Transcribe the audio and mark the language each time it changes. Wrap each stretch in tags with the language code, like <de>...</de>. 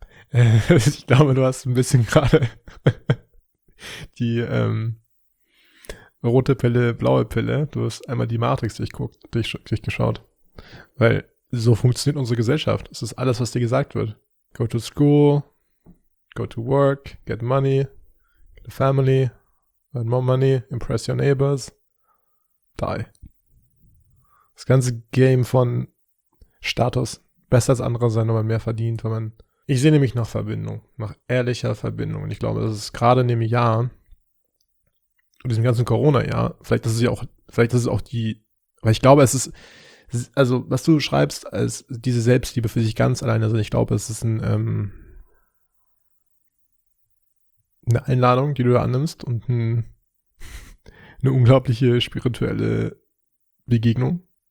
<de>Ich glaube, du hast ein bisschen gerade die rote Pille, blaue Pille. Du hast einmal die Matrix durchgeschaut. Weil so funktioniert unsere Gesellschaft. Es ist alles, was dir gesagt wird.</de> <en>Go to school, go to work, get money, get a family, earn more money, impress your neighbors, die.</en> <de>Das ganze Game von Status, besser als andere sein, wenn man mehr verdient, wenn man... Ich sehe nämlich nach Verbindung, nach ehrlicher Verbindung. Und ich glaube, das ist gerade in dem Jahr, in diesem ganzen Corona-Jahr, weil ich glaube, es ist, was du schreibst, als diese Selbstliebe für sich ganz alleine, also ich glaube, es ist eine Einladung, die du da annimmst und eine unglaubliche spirituelle Begegnung.</de>